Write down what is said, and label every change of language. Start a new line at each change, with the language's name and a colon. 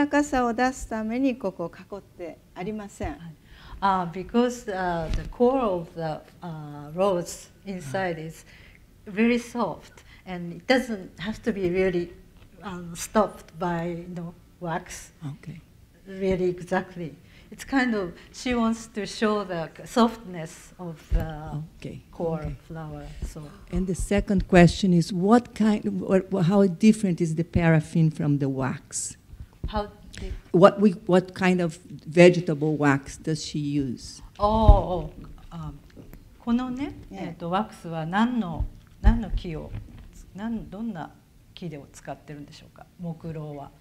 Japanese: あの、最初のね、白い芯のところは、あの、ワックスを使わなかったんですけども、それはなんで使わないんでしょうか。この白い花の中に入ってる、あの、バラの芯っていうのは、柔らかくて、そんな目立たないものだから、あの、柔らかさを出すために、ここ囲ってありません。
English: Because the core of the rose inside is very soft, and it doesn't have to be really stopped by wax. Okay. Really exactly. It's kind of, she wants to show the softness of the flower. So. And the second question is, what kind of, how different is the paraffin from the wax? What kind of vegetable wax does she use?
Japanese: このね、ワックスは何の木を使ってるんでしょうか？木蝋は。